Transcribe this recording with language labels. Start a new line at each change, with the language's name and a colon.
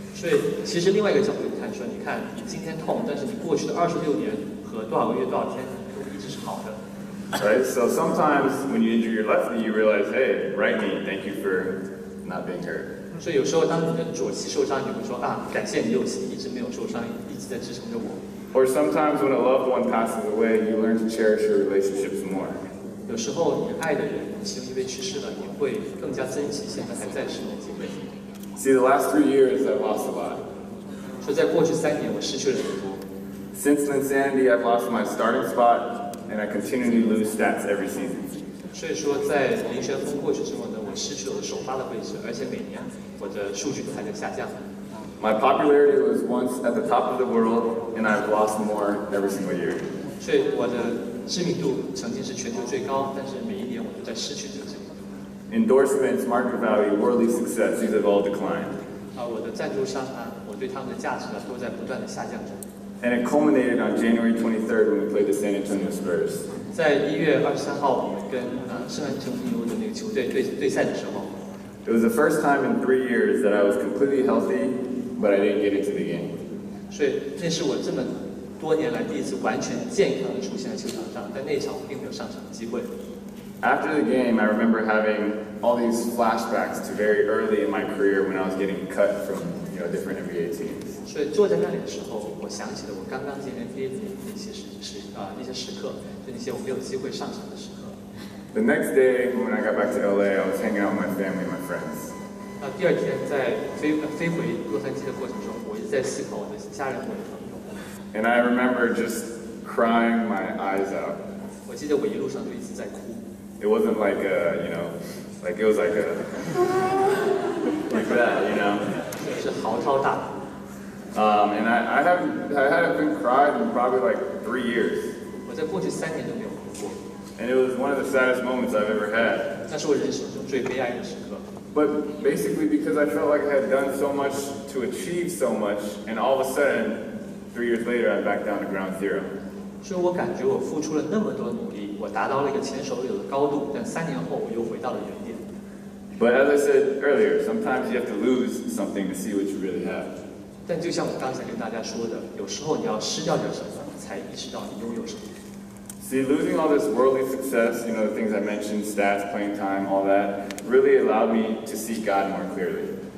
Chinese: 所以其实另外一个角度看说，你看你今天痛，但是你过去的26年和多少个月多少天一直是好的。
English: Right, so sometimes when you injure your left knee, you realize, hey, right knee, thank you for not being hurt.
Chinese: 所以有时候当你的左膝受伤，你会说啊，感谢你右膝一直没有受伤，一直在支撑着我。
English: Or sometimes when a loved one passes away, you learn to cherish your relationships more.
Chinese: 有时候你爱的人其实因为去世了，你会更加珍惜现在还在世的机会。
English: See, the last 3 years I've lost a lot.
Chinese: 说在过去三年我失去了很多。
English: Since then, Sandy, I've lost my starting spot, and I continually lose stats every season.
Chinese: 所以说在林学峰过去之后呢，我失去了首发的位置，而且每年我的数据都还在下降。
English: My popularity was once at the top of the world, and I've lost more every single year.
Chinese: 所以我的知名度曾经是全球最高，但是每一年我都在失去这个知名度。
English: Endorsements, market value, worldly success, these have all declined.
Chinese: 我的赞助商啊，我对他们的价值啊，都在不断的下降中。
English: And it culminated on January 23rd when we played the San Antonio Spurs.
Chinese: 在一月二十三号，我们跟圣安东尼奥的那个球队对赛的时候。
English: It was the first time in 3 years that I was completely healthy. But I didn't get into the game.
Chinese: 所以那是我这么多年来第一次完全健康的出现在球场上，但那场我并没有上场的机会。
English: After the game, I remember having all these flashbacks to very early in my career when I was getting cut from, you know, different NBA teams.
Chinese: 所以坐在那里的时候，我想起了我刚刚进 NBA 的那些时刻，就那些我没有机会上场的时刻。
English: The next day, when I got back to LA, I was hanging out with my family and my friends.
Chinese: 第二天在飞回洛杉矶的过程中，我一直在思考我的家人、我的朋友。
English: And I remember just crying my eyes out.
Chinese: 我记得我一路上就一直在哭。
English: It wasn't like a, you know, like it was like a like that, you know.
Chinese: 是嚎啕大哭。
English: And I haven't been cried in probably like 3 years.
Chinese: 我在过去三年都没有哭过。
English: And it was one of the saddest moments I've ever had.
Chinese: 那是我人生中最悲哀的时刻。
English: But basically because I felt like I had done so much to achieve so much, and all of a sudden, 3 years later, I'm back down to ground zero.
Chinese: 所以我感觉我付出了那么多努力，我达到了一个前所未有的高度，但三年后我又回到了原点。
English: But as I said earlier, sometimes you have to lose something to see what you really have.
Chinese: 但就像我刚才跟大家说的，有时候你要失掉点什么，才意识到你拥有什么。
English: See, losing all this worldly success, you know, the things I mentioned, stats, playing time, all that, really allowed me to see God more clearly.